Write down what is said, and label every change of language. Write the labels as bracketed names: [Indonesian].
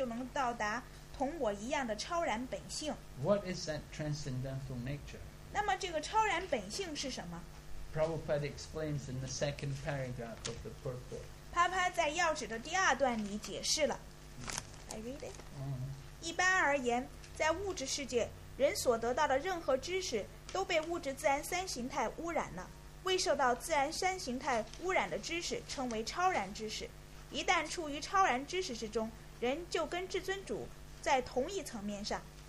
[Chinese] 那么在第二十节里说到了,如果我们文处于这门知识之中,就能到达同我一样的超然本性。 [English] What is that transcendental nature? [Chinese] 那么这个超然本性是什么? [English] Prabhupada explains in the second paragraph of the purport. [Chinese] 啪啪在要旨的第二段里解释了。 [English] I read it. [Chinese] 一般而言,在物质世界, 人所得到的任何知识都被物质自然三形态污染了。未受到自然三形态污染的知识称为超然知识。一旦处于超然知识之中，人就跟至尊主在同一层面上。